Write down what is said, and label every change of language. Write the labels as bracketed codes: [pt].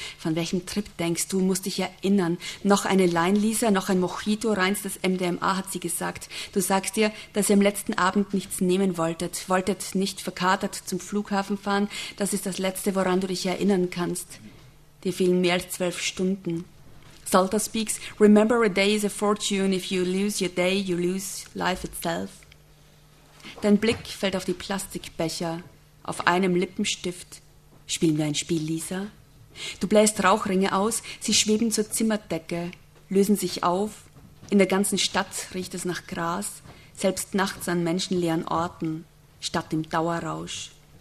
[de] Von welchem Trip denkst du? Musst dich erinnern. Noch eine Line, Lisa, noch ein Mojito, reinstes MDMA, hat sie gesagt. Du sagst ihr, dass ihr am letzten Abend nichts nehmen wolltet. Wolltet nicht verkatert zum Flughafen fahren. Das ist das Letzte, woran du dich erinnern kannst. Dir fehlen mehr als 12 Stunden. [en] Salta speaks, remember a day is a fortune. If you lose your day, you lose life itself. [de] Dein Blick fällt auf die Plastikbecher. Auf einem Lippenstift spielen wir ein Spiel, Lisa. Du bläst Rauchringe aus, sie schweben zur Zimmerdecke, lösen sich auf. In der ganzen Stadt riecht es nach Gras, selbst nachts an menschenleeren Orten, statt dem Dauerrausch.